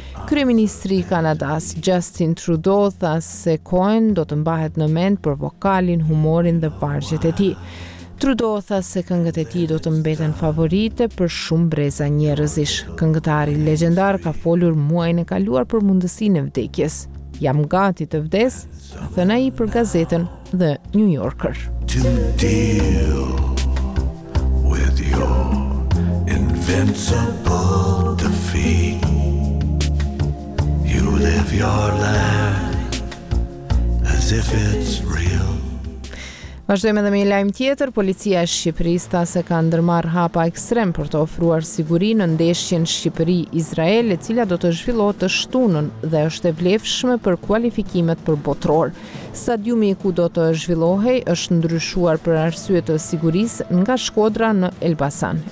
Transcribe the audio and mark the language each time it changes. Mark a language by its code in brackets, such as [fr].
[sq] Kryeministri I Kanadas, Justin Trudeau, tha se Cohen do të mbahet në mend për vokalin, humorin dhe vargjet e tij. Trudeau tha se këngët e tij do të mbeten favorite për shumë breza njerëzish. Këngëtari legjendar ka folur muajin e kaluar për mundësinë e vdekjes. Jam gati të vdes, thënë ai për gazetën The New Yorker. [en] To deal with your invincible defeat. You live your life as if it's real. [sq] Vazhdojmë edhe me një lajm tjetër. Policia e Shqipërisë tha se ka ndërmarr hapa ekstrem për të ofruar siguri në ndeshjen Shqipëri-Izrael, e cila do të zhvillohet të shtunën dhe është e vlefshme për kualifikimet për botror. Stadiumi ku do të zhvillohej është ndryshuar për arsye të sigurisë nga Shkodra në Elbasan.